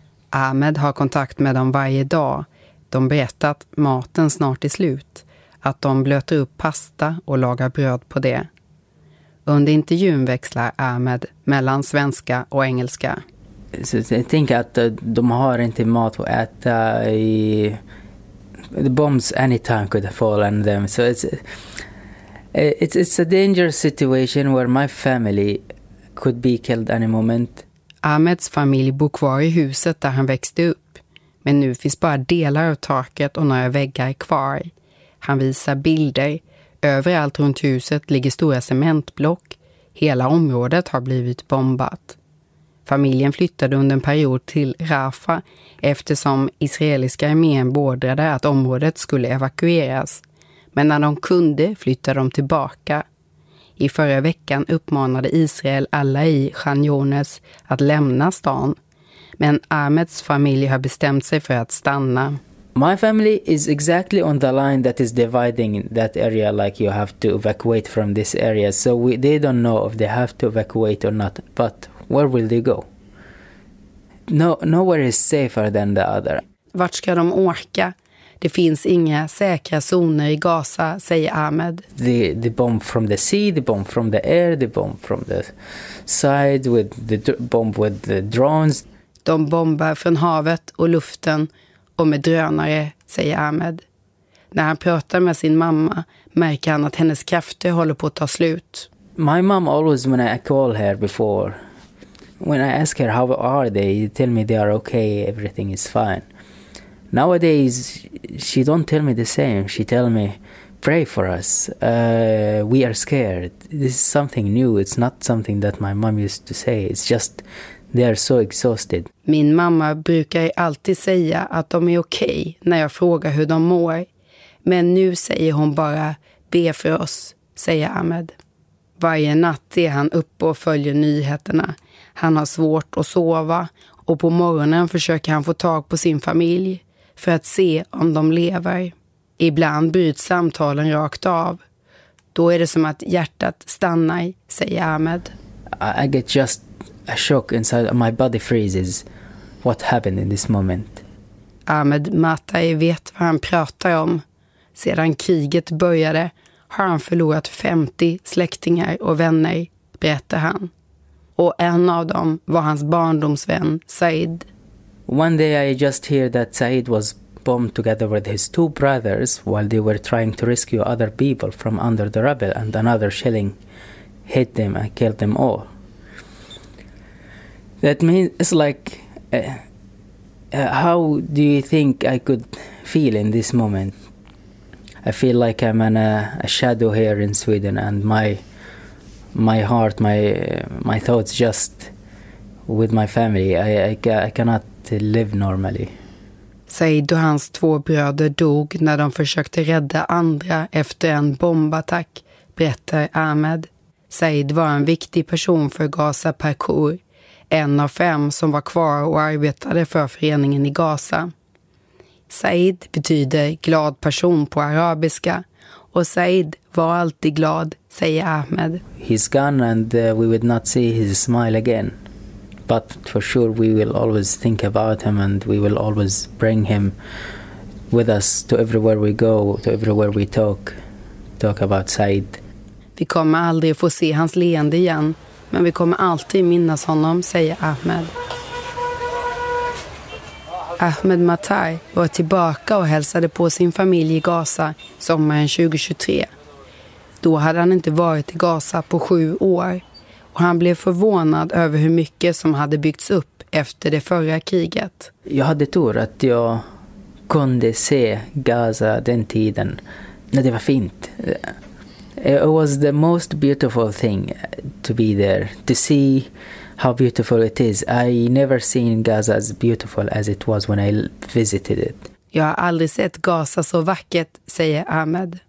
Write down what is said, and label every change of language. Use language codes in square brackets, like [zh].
[sv] Ahmed har kontakt med dem varje dag. De berättar att maten snart är slut. Att de blöter upp pasta och lagar bröd på det. Under intervjun växlar Ahmed mellan svenska och engelska. Jag tänker att de har inte mat att äta. [en] The bombs anytime could fall on them. So it's a dangerous situation where my family could be killed any moment. [sv] Ahmeds familj bor kvar i huset där han växte upp. Men nu finns bara delar av taket och några väggar kvar. Han visar bilder. Överallt runt huset ligger stora cementblock. Hela området har blivit bombat. Familjen flyttade under en period till Rafah eftersom israeliska armén beordrade att området skulle evakueras. Men när de kunde flyttade de tillbaka. I förra veckan uppmanade Israel alla i Khan Younes att lämna stan. Men Ahmeds familj har bestämt sig för att stanna. [en] My family is exactly on the line that is dividing that area, like you have to evacuate from this area. So they don't know if they have to evacuate or not. But where will they go? Nowhere is safer than the other. [sv] Vart ska de åka? Det finns inga säkra zoner i Gaza, säger Ahmed. [en] The bomb from the sea, the bomb from the air, the bomb from the side with the bomb with the drones. [sv] De bombar från havet och luften. Och med drönare, säger Ahmed. När han pratar med sin mamma märker han att hennes krafter håller på att ta slut. [en] My mom always, when I call her before, when I ask her how are they, she tell me they are okay, everything is fine. Nowadays, she don't tell me the same. She tell me, pray for us. We are scared. This is something new. It's not something that my mom used to say. It's just... They are so exhausted. [sv] Min mamma brukar alltid säga att de är okej när jag frågar hur de mår. Men nu säger hon bara, be för oss, säger Ahmed. Varje natt är han uppe och följer nyheterna. Han har svårt att sova och på morgonen försöker han få tag på sin familj för att se om de lever. Ibland bryts samtalen rakt av. Då är det som att hjärtat stannar, säger Ahmed. [en] I get just a shock inside my body freezes. What happened in this moment? [sv] Ahmed Matai vet vad han pratar om. Sedan kriget började har han förlorat 50 släktingar och vänner, berättar han. Och en av dem var hans barndomsvän Said. [en] One day I just hear that Said was bombed together with his two brothers while they were trying to rescue other people from under the rubble, and another shelling hit them and killed them all. That means it's like, how do you think I could feel in this moment? I feel like I'm in a shadow here in Sweden, and my heart, my thoughts just with my family. I cannot live normally. [sv] Said och hans två bröder dog när de försökte rädda andra efter en bombattack, berättar Ahmed. Said var en viktig person för Gaza Parkour, en av fem som var kvar och arbetade för föreningen i Gaza. Said betyder glad person på arabiska, och Said var alltid glad, säger Ahmed. [en] He's gone and we would not see his smile again. But for sure we will always think about him, and we will always bring him with us to everywhere we go, to everywhere we talk about Said. [sv] Vi kommer aldrig få se hans leende igen, men vi kommer alltid minnas honom, säger Ahmed. Ahmed Matai var tillbaka och hälsade på sin familj i Gaza sommaren 2023. Då hade han inte varit i Gaza på 7 år. Och han blev förvånad över hur mycket som hade byggts upp efter det förra kriget. Jag hade tur att jag kunde se Gaza den tiden när det var fint. [en] It was the most beautiful thing to be there, to see how beautiful it is. I never seen Gaza as beautiful as it was when I visited it. [sv] Jag har aldrig sett Gaza så vackert, säger Ahmed.